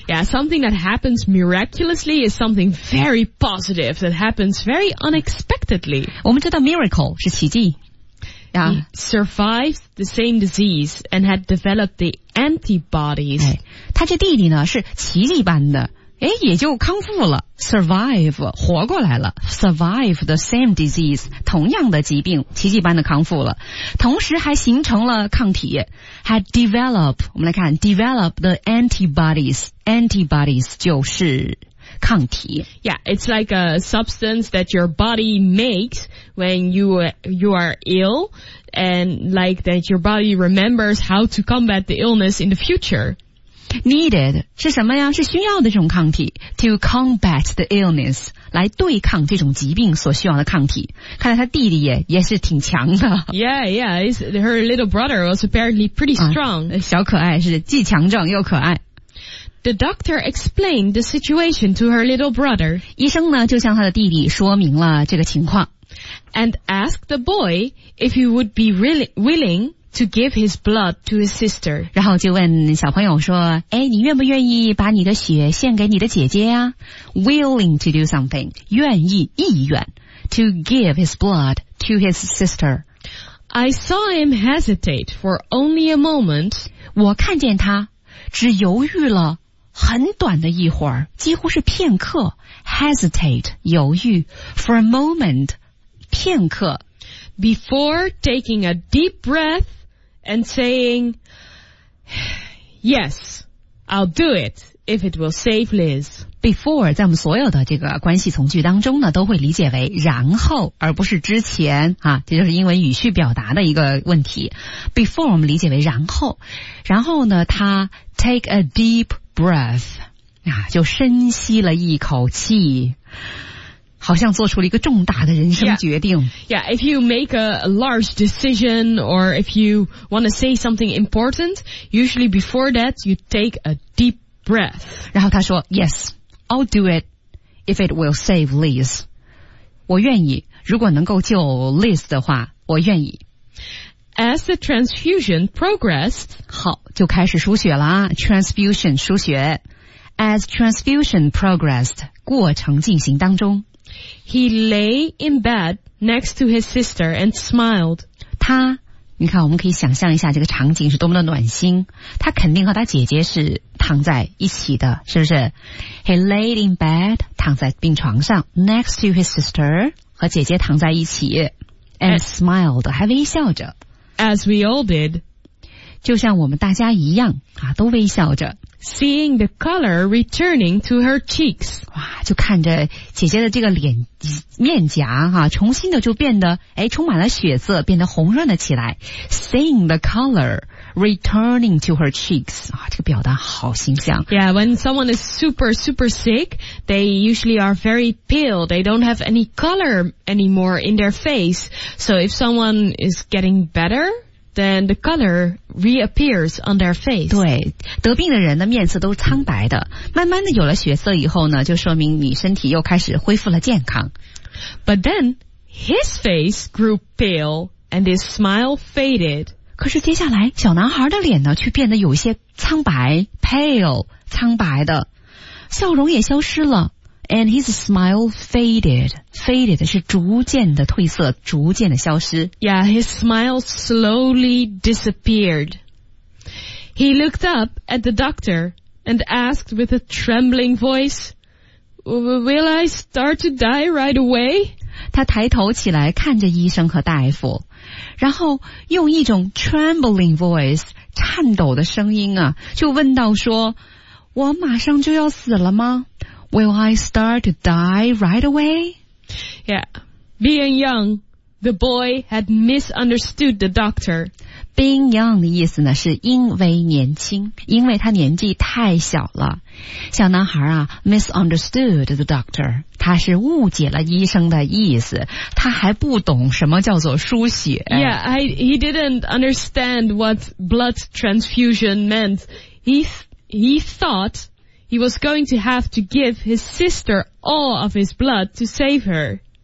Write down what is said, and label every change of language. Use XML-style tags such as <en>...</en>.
<en>Yeah, something that happens miraculously is something very positive that happens very unexpectedly.</en> <zh>我们知道 miracle 是奇迹。</zh> <en>Yeah. He survived the same disease and had developed the antibodies.</en> <zh>他这弟弟呢是奇迹般的，哎，也就康复了 ,survive, 活过来了 ,</zh> <en>survive the same disease,</en> <zh>同样的疾病奇迹般的康复了，同时还形成了抗体 ,</zh> <en>had developed,</en> <zh>我们来看 ,</zh> <en>develop the antibodies,</en> <zh>antibodies 就是抗体。</zh> <en>Yeah, it's like a substance that your body makes when you are ill and like that your body remembers how to combat the illness in the future.</en> <zh>Needed, 是什么呀？是需要的这种抗体</zh> <en>to combat the illness,</en> <zh>来对抗这种疾病所需要的抗体。看来他弟弟也是挺强的。</zh> <en>Yeah, her little brother was apparently pretty strong.</en> <zh>小可爱是既强壮又可爱。</zh> <en>The doctor explained the situation to her little brother.</en> <zh>医生呢就向他的弟弟说明了这个情况。</zh> <en>And asked the boy if he would be willing to give his blood to his sister.</en> <zh>然后就问小朋友说，哎，你愿不愿意把你的血献给你的姐姐啊？</zh> <en>Willing to do something.</en> <zh>愿意，意愿。</zh> <en>To give his blood to his sister. I saw him hesitate for only a moment.</en> <zh>我看见他只犹豫了很短的一会儿，几乎是片刻 ,hesitate, 犹豫 ,</zh> <en>for a moment,</en> <zh>片刻</zh> <en>,before taking a deep breath and saying, yes, I'll do it if it will save Liz.</en> <zh>Before, 在我们所有的这个关系从句当中呢，都会理解为然后而不是之前啊，这就是英文语序表达的一个问题。 Before 我们理解为然后，然后呢他</zh> <en>take a deep breath,</en> <zh>啊，就深吸了一口气，好像做出了一个重大的人生决定。</zh> <en>Yeah, yeah, if you make a large decision or if you want to say something important, usually before that you take a deep breath.</en> <zh>然后他说</zh> <en>,Yes, I'll do it if it will save Liz.</en> <zh>我愿意，如果能够救 Liz 的话，我愿意。</zh> <en>As the transfusion progressed,</en> <zh>好，就开始输血了啊 ,transfusion, 输血。</zh> <en>As transfusion progressed,</en> <zh>过程进行当中。</zh> <en>He lay in bed next to his sister and smiled.</en> <zh>他，你看，我们可以想象一下这个场景是多么的暖心。他肯定和他姐姐是躺在一起的，是不是 ？</zh> <en>He laid in bed,</en> <zh>躺在病床上 ，</zh> <en>next to his sister,</en> <zh>和姐姐躺在一起 ，</zh> <en>and smiled,</en> <zh>还微笑着。</zh> <en>As we all did,</en> <zh>就像我们大家一样啊，都微笑着。</zh> <en>Seeing the color returning to her cheeks.</en> <zh>哇，就看着姐姐的这个脸面颊啊，重新的就变得哎，充满了血色，变得红润了起来。</zh> <en>Seeing the color returning to her cheeks.</en> <zh>啊，这个表达好形象。</zh> <en>Yeah, when someone is super, super sick, they usually are very pale. They don't have any color anymore in their face. So if someone is getting better,Then the color reappears on their face.</en> <zh>对，得病的人的面色都苍白的，慢慢的有了血色以后呢，就说明你身体又开始恢复了健康。</zh> <en>But then his face grew pale and his smile faded.</en> <zh>可是接下来小男孩的脸呢，却变得有些苍白 ,pale, 苍白的，笑容也消失了。</zh> <en>And his smile faded.</en> <zh>Faded 是逐渐的褪色，逐渐的消失。</zh> <en>Yeah, his smile slowly disappeared. He looked up at the doctor and asked with a trembling voice, Will I start to die right away?</en> <zh>他抬头起来看着医生和大夫，然后用一种</zh> <en>trembling voice,</en> <zh>颤抖的声音啊，就问到说，我马上就要死了吗？</zh> <en>Will I start to die right away? Yeah. Being young, the boy had misunderstood the doctor. Being young</en> <zh>的意思呢，是因为年轻，因为他年纪太小了。小男孩啊</zh> <en>,misunderstood the doctor.</en> <zh>他是误解了医生的意思，他还不懂什么叫做输血。</zh> <en>Yeah, he didn't understand what blood transfusion meant. He thought... He was going to have to give his sister all of his blood to save her.</en>